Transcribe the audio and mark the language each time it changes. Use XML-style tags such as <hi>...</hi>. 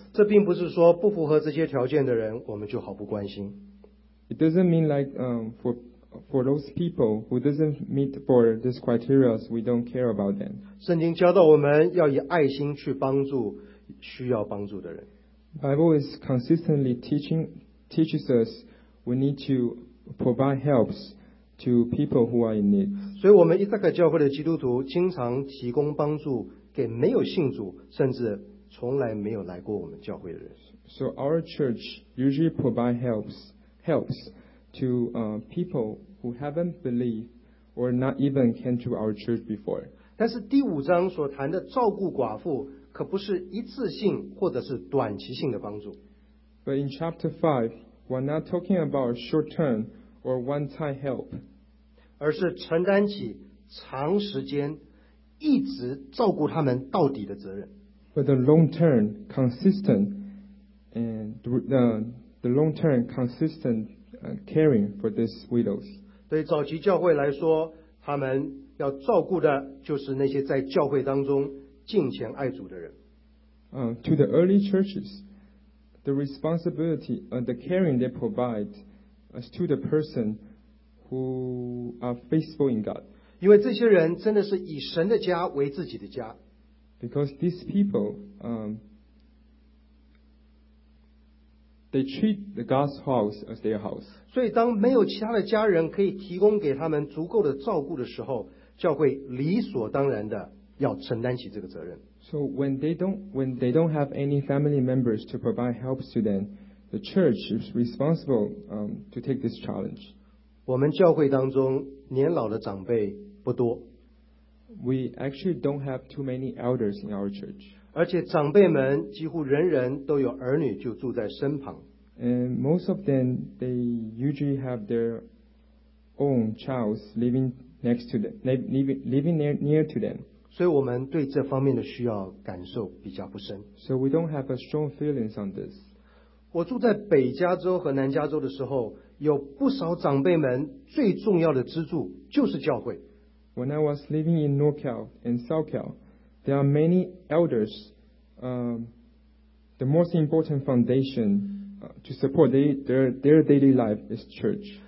<zh>这并不是说不符合这些条件的人我们就毫不关心。</zh> <en>It doesn't mean like for those people who doesn't meet for these criteria, we don't care about them.</en> <zh>圣经教导我们要以爱心去帮助需要帮助的人。</zh> <en>Bible is consistently teaches us we need to provide helps to people who are in need.</en> <zh>所以我们伊萨克教会的基督徒经常提供帮助给没有信主甚至从来没有来过我们教会的人。</zh> <en>So our church usually provide helps. To people who haven't believed or not even came to our church before.</en> <zh>但是第五章所谈的照顾寡妇可不是一次性或者是短期性的帮助。</zh> <en>But in chapter 5, we're not talking about short-term or one-time help.</en> <zh>而是承担起长时间一直照顾他们到底的责任。</zh> <en>For the long-term consistent and the long-term consistent. Caring for these widows.</en> <zh>对早期教会来说，他们要照顾的就是那些在教会当中敬虔爱主的人。</zh> <en>To the early churches, the responsibility and the caring they provide is to the person who are faithful in God.</en> <zh>因为这些人真的是以神的家为自己的家。</zh> <en>Because these people, they treat the God's house as their house.</en> <zh>所以当没有其他的家人可以提供给他们足够的照顾的时候，教会理所当然的要承担起这个责任。</zh> <en>So when they don't have any family members to provide help to them, the church is responsible to take this challenge.</en> <zh>我们教会当中年老的长辈不多。</zh> <en>We actually don't have too many elders in our church.</en> <zh>而且长辈们几乎人人都有儿女就住在身旁。</zh> <en>And most of them, they usually have their own child living next to them, living near to them.</en> <zh>所以我们对这方面的需要感受比较不深。</zh> <en>So we don't have a strong feelings on this.</en> <zh>我住在北加州和南加州的时候，有不少长辈们最重要的支柱就是教会。</zh> <en>When I was living in NorCal and SouthCal,There are many elders, the most important foundation to support their daily life is church.</en>